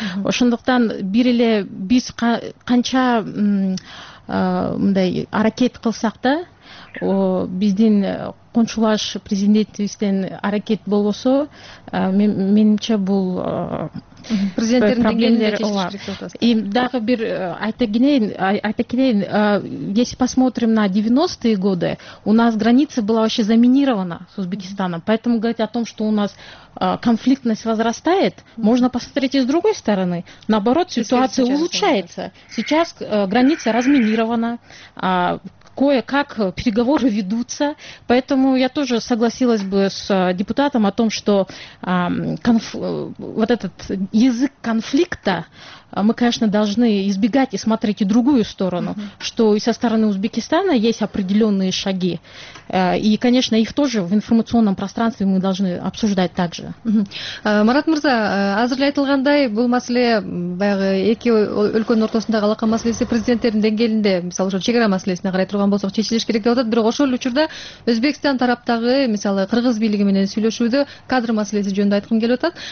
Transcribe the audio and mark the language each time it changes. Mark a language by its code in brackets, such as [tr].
[ky] Ошондуктан бир эле биз канча мындай аракет кылсак да, биздин коңшулаш президентибизден аракет болбосо, менимче бул президенттердин деңгээлинде чечилет. [ru] И дагы бир айта кетейин, если посмотрим на 90-е годы, у нас граница была вообще заминирована с Узбекистаном. Поэтому говорить о том, что у нас конфликтность возрастает, можно посмотреть и с другой стороны. Наоборот, ситуация улучшается. Сейчас граница разминирована. Кое-как переговоры ведутся, поэтому я тоже согласилась бы с депутатом о том, что вот этот язык конфликта мы, конечно, должны избегать и смотреть и другую сторону, что и со стороны Узбекистана есть определенные шаги. И, конечно, их тоже в информационном пространстве мы должны обсуждать также. [ky] Марат Мырза, азырлай айтылгандай, бул маселе баягы эки өлкөнүн ортосундагы алака маселеси президенттердин деңгээлинде, мисалы ошо чек ара маселесине карай турган болсок, чечилиш керек деп атат. Бирок ошол эле учурда Өзбекстан тараптагы, мисалы, кыргыз бийлиги менен сүйлөшүүдө кадр маселеси жөнүндө айткым келип атат.